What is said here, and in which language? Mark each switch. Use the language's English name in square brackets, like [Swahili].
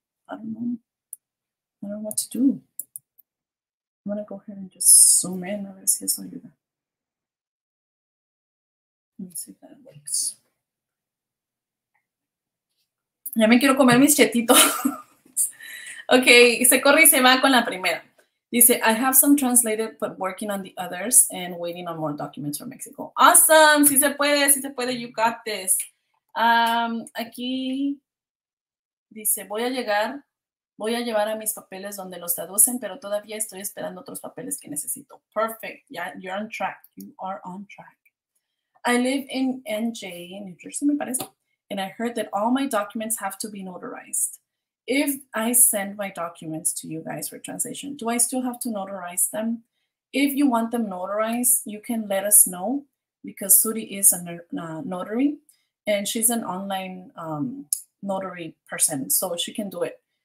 [English] I don't know what to do. I'm gonna go ahead and just zoom in, [Spanish] a ver si eso ayuda. [English] Let me see if that works. [Spanish] Ya me quiero comer mis chetitos. Okay, se corre y se va con la primera. [English] Dice, I have some translated, but working on the others and waiting on more documents from Mexico. Awesome, [Spanish] sí se puede, [English] you got this. [Spanish] Aquí dice, voy a llevar a mis papeles donde los traducen, pero todavía estoy esperando otros papeles que necesito. [English] Perfect, yeah, you are on track. I live in NJ, New Jersey, [Spanish] me parece, [English] and I heard that all my documents have to be notarized. If I send my documents to you guys for translation, do I still have to notarize them? If you want them notarized, you can let us know because Suri is a notary and she's an online notary person, so she can do it.